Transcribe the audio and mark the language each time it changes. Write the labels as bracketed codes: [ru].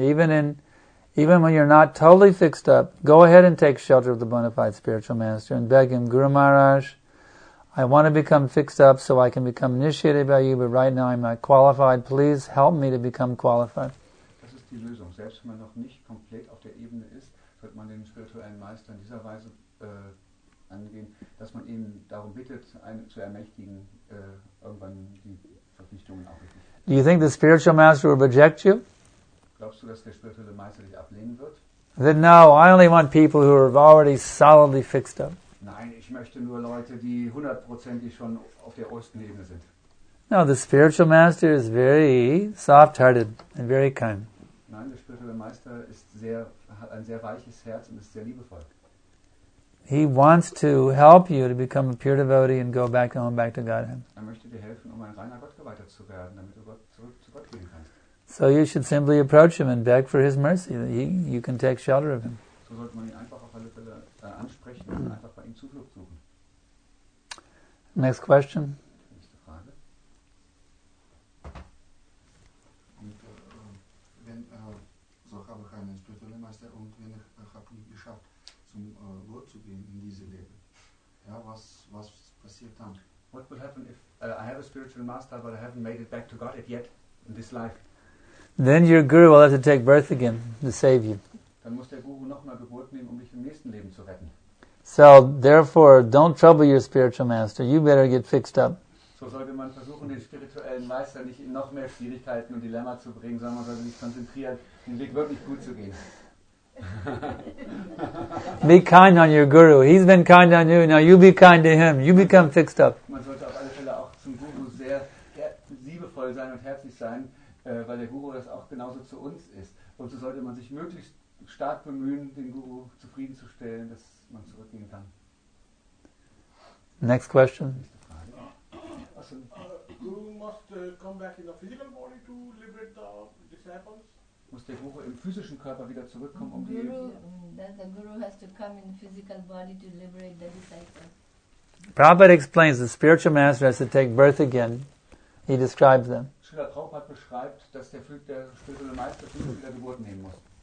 [en] Even when you're not totally fixed up, go ahead and take shelter of the bona fide spiritual master and beg him, Guru Maharaj, I want to become fixed up so I can become initiated by you, but right now I'm not qualified. Please help me to become qualified. [de] Das ist die Lösung. Selbst wenn man noch nicht komplett auf der Ebene ist, sollte man den spirituellen Meister in dieser Weise angehen, dass man ihn darum bittet, einen zu ermächtigen, irgendwann die Verpflichtungen auch richtig. [en] Do you think the spiritual master will reject you? [de] Glaubst du, dass der spirituelle Meister dich ablehnen wird? [en] Then no, I only want people who are already solidly fixed up. [de] Nein, ich möchte nur Leute, die 100%ig schon auf der obersten Ebene sind. [en] No, the spiritual master is very soft-hearted and very kind. [de] Nein, der spirituelle Meister hat ein sehr weiches Herz und ist sehr liebevoll. [en] He wants to help you to become a pure devotee and go back home, back to Godhead. [de] Er möchte dir helfen, um ein reiner Gottgeweihter zu werden, damit du zurück zu Gott gehen kannst. [en] So you should simply approach him and beg for his mercy that you can take shelter of him. [de] So sollte man ihn einfach auf alle Fälle ansprechen und einfach bei ihm Zuflucht suchen. [en] Next question. [de] Nächste Frage. Und, wenn so habe ich einen spirituellen Meister und wenn ich habe nicht geschafft, zum Lord zu gehen in diese Leben. Ja, was passiert dann? [en] What will happen if I have a spiritual master but I haven't made it back to God yet in this life? Then your guru will have to take birth again to save you. [de] Dann muss der Guru nochmal Geburt nehmen, um dich im nächsten Leben zu retten. [en] So, therefore, don't trouble your spiritual master. You better get fixed up. [de] So sollte man versuchen, den spirituellen Meister nicht in noch mehr Schwierigkeiten und Dilemma zu bringen, sondern man sollte sich konzentrieren, den Weg wirklich gut zu gehen. [en] Be kind on your guru. He's been kind on you. Now you be kind to him. You become fixed up. [de] Man sollte auf alle Fälle auch zum Guru sehr liebevoll sein und herzlich sein, weil der Guru das auch genauso zu uns ist. Und so sollte man sich möglichst stark bemühen, den Guru zufriedenzustellen, dass man zurückgehen kann. [en] Next question. Guru must come back in the physical body to liberate the disciples. [de] Muss der Guru im physischen Körper wieder zurückkommen, um Guru, die [en] Guru, the Guru has to come in the physical body to liberate the disciples. Prabhupada explains the spiritual master has to take birth again. He describes them. [de] Srila Prabhupada beschreibt, dass der spirituelle Meister wieder Geburt nehmen muss.